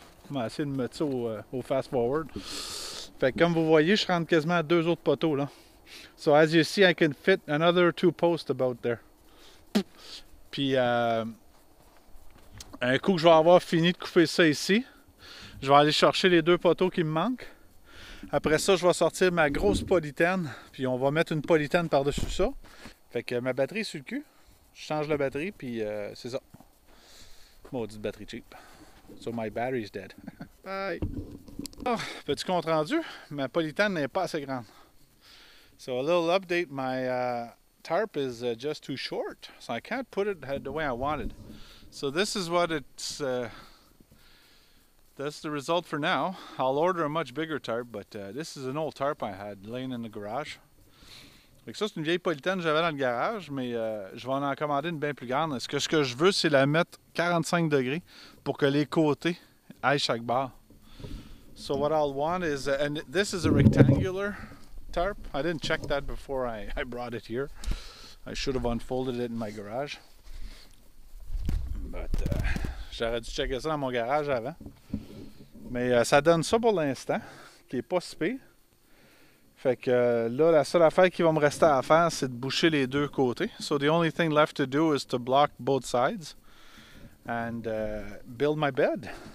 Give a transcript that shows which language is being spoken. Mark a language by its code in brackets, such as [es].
[fr] On va essayer de mettre ça au fast-forward. Fait que comme vous voyez, je rentre quasiment à deux autres poteaux, là. [en] So, as you see, I can fit another two posts about there. [fr] Puis, un coup que je vais avoir fini de couper ça ici, je vais aller chercher les deux poteaux qui me manquent. Après ça, je vais sortir ma grosse polytène, puis on va mettre une polytène par-dessus ça. Fait que ma batterie est sur le cul. Je change la batterie, puis c'est ça. Maudite batterie cheap. [en] So my battery is dead. Bye! [fr] Oh, petit compte rendu, ma polytène n'est pas assez grande. [en] So a little update, my tarp is just too short, so I can't put it the way I wanted. So this is what it's... That's the result for now. I'll order a much bigger tarp, but this is an old tarp I had laying in the garage. [fr] Donc ça, c'est une vieille polytène que j'avais dans le garage, mais je vais en commander une bien plus grande. Parce que ce que je veux, c'est la mettre 45 degrés pour que les côtés aillent chaque barre. [en] So what I'll want is, and this is a rectangular tarp. I didn't check that before I brought it here. I should have unfolded it in my garage. [fr] But j'aurais dû checker ça dans mon garage avant. Mais ça donne ça pour l'instant, qui n'est pas si pire. Fait que là, la seule affaire qui va me rester à faire, c'est de boucher les deux côtés. [en] So the only thing left to do is to block both sides and build my bed.